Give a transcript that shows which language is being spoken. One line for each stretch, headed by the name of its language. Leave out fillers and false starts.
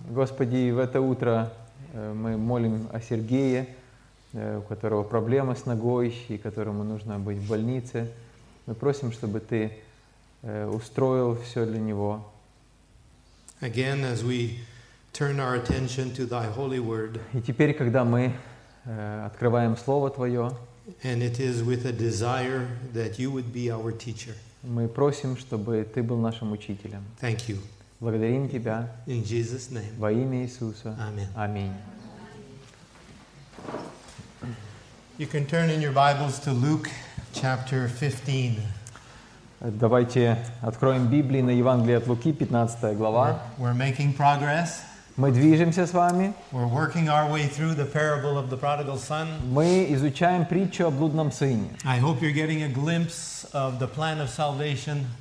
Russian: Господи, в это утро мы молим о Сергее, у которого проблемы с ногой и которому нужно быть в больнице. Мы просим, чтобы ты устроил все для него.
English: Again, as we turn our attention to Thy Holy Word,
Russian: и теперь, когда мы открываем Слово Твое,
English: and it is with a desire that You would be our teacher.
Russian: Мы просим, чтобы Ты был нашим учителем.
English: Thank You.
Russian: Благодарим Тебя.
English: In Jesus' name.
Russian: Во имя Иисуса.
English: Amen.
Russian: Аминь.
English: You can turn in your Bibles to Luke chapter 15.
Russian: Давайте откроем Библию на Евангелие от Луки, 15 глава.
English: We're making progress.
Russian: Мы движемся с вами.
English: We're working our way through the parable of the prodigal son.
Russian: Мы изучаем притчу о блудном сыне.
English: I hope you're getting a glimpse of the plan of salvation.